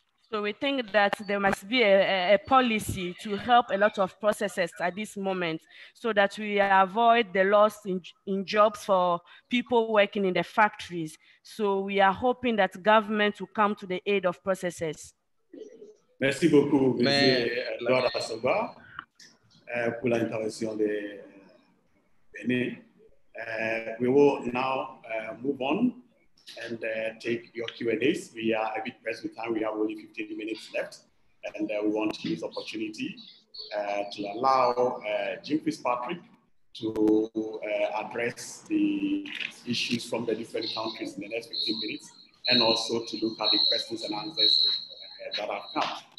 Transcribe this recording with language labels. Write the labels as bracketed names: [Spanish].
[English] So we think that there must be a policy to help a lot of processors at this moment so that we avoid the loss in jobs for people working in the factories. So we are hoping that government will come to the aid of processors. [French] Merci beaucoup, Laura Sauva, pour l'intervention de Bene. [English] We will now move on and take your Q&As. We are a bit pressed with time. We have only 15 minutes left, and we want to use the opportunity to allow Jim Fitzpatrick to address the issues from the different countries in the next 15 minutes, and also to look at the questions and answers that have come.